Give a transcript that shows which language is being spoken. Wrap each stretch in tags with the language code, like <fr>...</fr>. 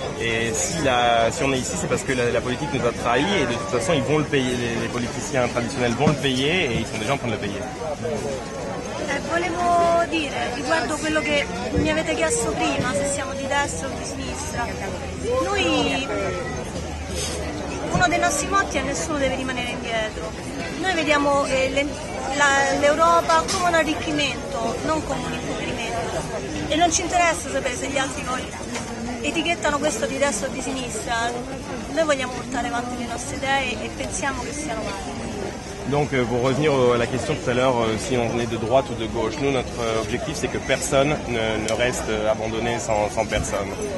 <fr>Et si on est ici, c'est parce que la politique nous a trahis, et de toute façon ils vont le payer, les politiciens traditionnels vont le payer, et ils sont déjà en train de le payer.</fr> <it>Volevo dire, riguardo quello che mi avete chiesto prima, se siamo di destra o di sinistra, noi, uno dei nostri motti è nessuno deve rimanere indietro. Noi vediamo l'Europa come un arricchimento, non come un impoverimento. E non ci interessa sapere se gli altri noi etichettano questo di destra o di sinistra. Noi vogliamo portare avanti le nostre idee e pensiamo che siano valide.</it> <fr>Donc pour revenir à la question tout à l'heure, si on est de droite ou de gauche, nous notre objectif c'est que personne ne reste abandonné sans personne.</fr>